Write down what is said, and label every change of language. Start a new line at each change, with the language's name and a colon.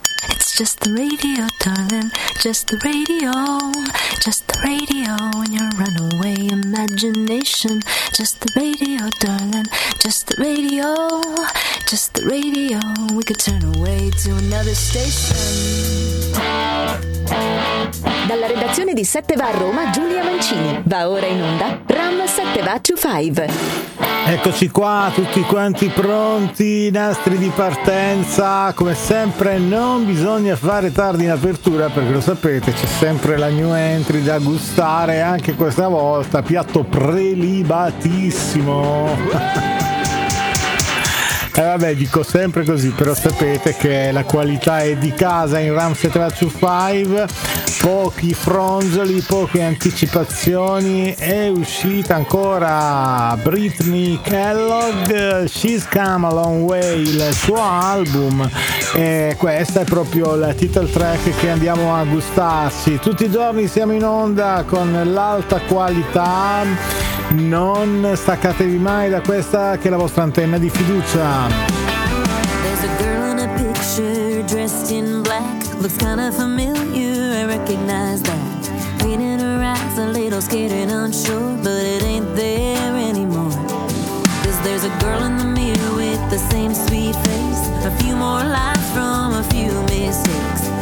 English: It's just the radio, darling, just the radio, just the radio in your runaway imagination. Just the radio, darling, just the radio, just the radio. We could turn away to another station.
Italian: Dalla redazione di 7 va a Roma, Giulia Mancini. Va ora in onda Ram 7 va to 5. Eccoci qua, tutti quanti pronti, i nastri di partenza. Come sempre, non bisogna fare tardi in apertura, perché lo sapete, c'è sempre la new entry da gustare. Anche questa volta, piatto prelibatissimo. Vabbè, dico sempre così, però sapete che la qualità è di casa in Ram 7 va to 5. Pochi fronzoli, poche anticipazioni. È uscita ancora Brittany Kellogg, She's Come a Long Way, il suo album, e questa è proprio la title track che andiamo a gustarsi. Tutti i giorni siamo in onda con l'alta qualità, non staccatevi mai da questa che è la vostra antenna di fiducia.
English: There's a girl in a picture dressed in black, looks kinda familiar, I recognize that. Pain in her eyes, a little scared and unsure, but it ain't there anymore. 'Cause there's a girl in the mirror with the same sweet face, a few more lies from a few mistakes.